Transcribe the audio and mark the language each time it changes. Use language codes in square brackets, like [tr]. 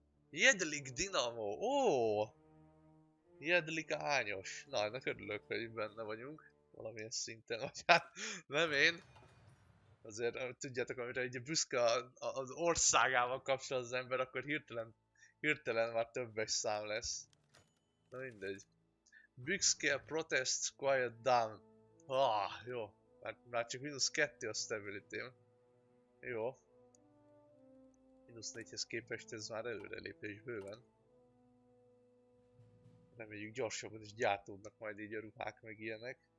[hu] Jedlik Dynamo, ó! Oh! Jedlik Ányos. Na, ennek örülök, hogy benne vagyunk. Valamilyen szinten, vagy hát nem én. Azért tudjátok, amire egy büszke az országával kapcsolat az ember, akkor hirtelen már többes szám lesz. Na mindegy. [en] Big scale protest quiet down. [hu] Ah, jó. Már csak minusz 2 a stability-m. Jó. Minusz 4-hez képest ez már előrelépés bőven. Reméljük gyorsabban is gyártódnak majd így a ruhák meg ilyenek.